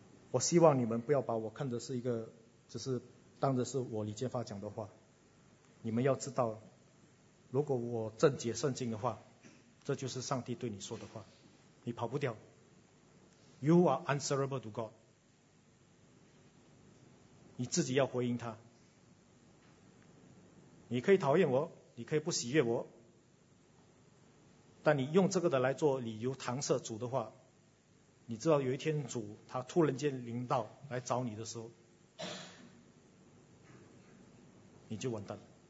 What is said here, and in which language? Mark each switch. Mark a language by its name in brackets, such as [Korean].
[Chinese] 我希望你们不要把我看的是一个，就是当的是我李建发讲的话。你们要知道，如果我正解圣经的话，这就是上帝对你说的话，你跑不掉。 [English] You are answerable to God， [Chinese] 你自己要回应他。你可以讨厌我，你可以不喜悦我，但你用这个的来做理由搪塞主的话，你知道有一天主他突然间临到来找你的时候，你就完蛋了。